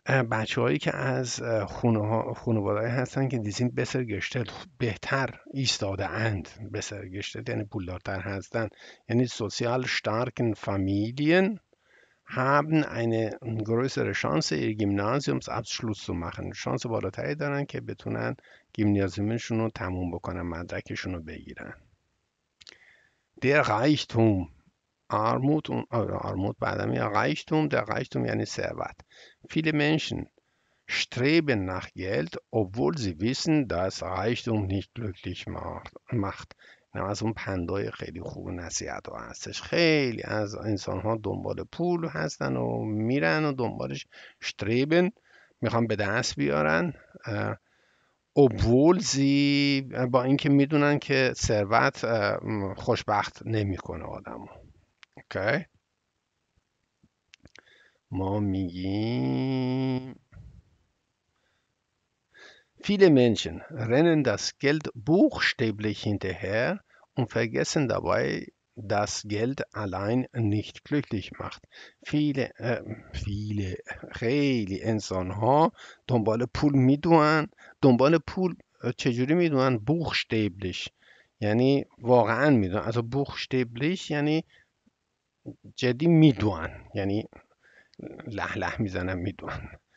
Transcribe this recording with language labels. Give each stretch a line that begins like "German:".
Persian: بچه هایی که از خانواده هایی هستن که دیزین بسر گشتلت، بهتر ایستاده اند، بسر گشتلت یعنی پولدارتر هستن، یعنی سوسیال شتارکن فامیلیان
German: haben eine größere Chance, ihr Gymnasiumsabschluss zu machen.
Persian: Chance بالاتری دارن که بتونن گیمنازیومشون رو تموم بکنن، مدرکشون رو بگیرن.
German: Der Reichtum، Armut und Armut
Persian: بعد میاد
German: Reichtum.
Persian: Der Reichtum یعنی ثروت.
German: Viele Menschen streben nach Geld, obwohl sie wissen, dass Reichtum nicht glücklich macht.
Persian: نه از اون پندای خیلی خوب نصیحت ها هستش. خیلی از انسان ها دنبال پول هستن و میرن و دنبالش، شتریبن میخوان به دست بیارن، اوبول زی، با اینکه میدونن که ثروت خوشبخت نمیکنه آدم. اوکی، ما میگیم
German: viele Menschen rennen das Geld buchstäblich hinterher und vergessen dabei, dass Geld allein nicht glücklich macht.
Persian: Viele, viele, خیلی انسان ها دنبال پول میدونن، دنبال پول چجوری میدونن؟ بوخشتیبلیش، یعنی واقعا میدونن، از بوخشتیبلیش یعنی جدی میدونن، یعنی له له میزنن میدونن،